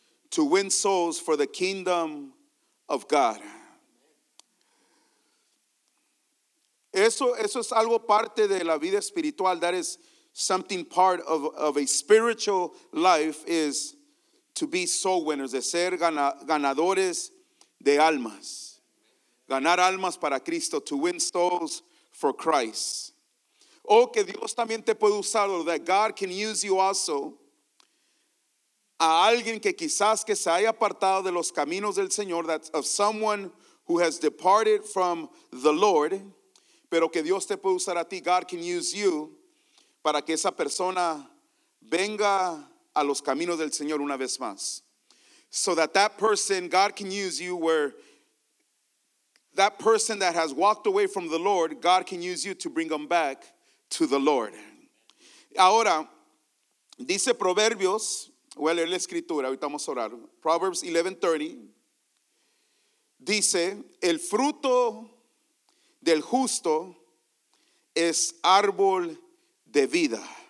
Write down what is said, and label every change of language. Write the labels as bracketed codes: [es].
[en] To win souls for the kingdom of God. [es] Eso es algo parte de la vida espiritual. [en] That is something part of a spiritual life, is to be soul winners, [es] de ser ganadores de almas. Ganar almas para Cristo, [en] to win souls for Christ. Oh, [es] que Dios también te puede usar, [en] or that God can use you also. [es] A alguien que quizás que se haya apartado de los caminos del Señor, [en] that's of someone who has departed from the Lord, [es] pero que Dios te puede usar a ti. [en] God can use you [es] para que esa persona venga a los caminos del Señor una vez más. [en] So that person, God can use you where that person that has walked away from the Lord, God can use you to bring them back to the Lord. [es] Ahora, dice Proverbios, voy a leer la escritura, ahorita vamos a orar. Proverbs 11:30 dice, el fruto del justo es árbol de vida.